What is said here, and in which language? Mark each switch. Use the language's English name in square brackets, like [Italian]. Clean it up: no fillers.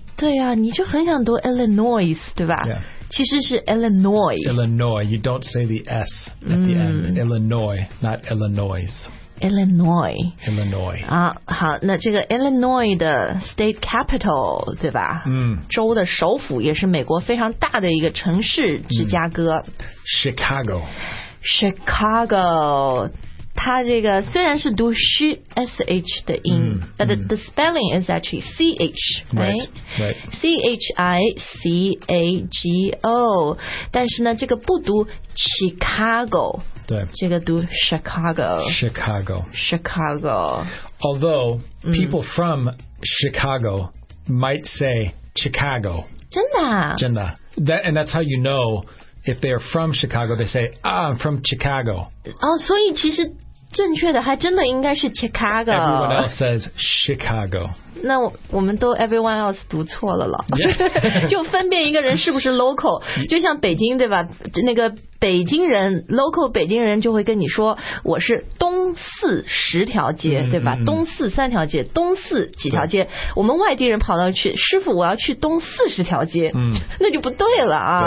[Chinese] 对啊，你就很想读 Illinois, 对吧？ [English] Yeah. [Chinese] 其实是 Illinois. [English] Illinois. You don't say the S at the end. Illinois, not Illinois. Illinois. Illinois. [Chinese] 啊，好，那这个 Illinois 的 state capital, 对吧？州的首府也是美国非常大的一个城市，芝加哥。 [English] Chicago. Chicago. [Chinese] 它这个虽然是读 sh 的音、 [English] but the spelling is actually ch, [Chinese] C-H-I-C-A-G-O, 但是呢这个不读 Chicago, 对，这个读 Chicago, [English] Chicago, Chicago. Although people from Chicago might say Chicago. [Chinese] 真的、真的。 [English] That, and that's how you know if they're from Chicago, they say,、I'm from Chicago. [Chinese] 哦，所以其实正确的还真的应该是 Chicago. [English] Everyone else says Chicago. [Chinese] 那我们都 [English] everyone else [Chinese] 读错了了、 [English] yeah. [Chinese] 就分辨一个人是不是 local, 就像北京对吧，那个北京人 local 北京人就会跟你说我是东四十条街、对吧，东四三条街，东四几条街，我们外地人跑到去，师傅我要去东四十条街、那就不对了啊。